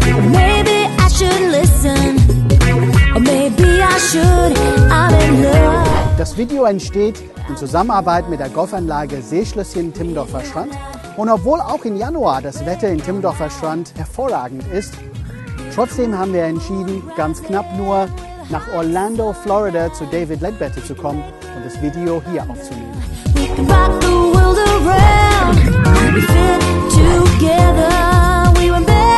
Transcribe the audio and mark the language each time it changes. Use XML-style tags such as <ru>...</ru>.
<en>Maybe I should listen, or maybe I should, I'm in love.</en> <de>Das Video entsteht in Zusammenarbeit mit der Golfanlage Seeschlösschen Timmendorfer Strand. Und obwohl auch im Januar das Wetter in Timmendorfer Strand hervorragend ist, trotzdem haben wir entschieden, ganz knapp nur nach Orlando, Florida zu David Ledbetter zu kommen und das Video hier aufzunehmen.</de> <en>We can rock the world around, we fit together.</en>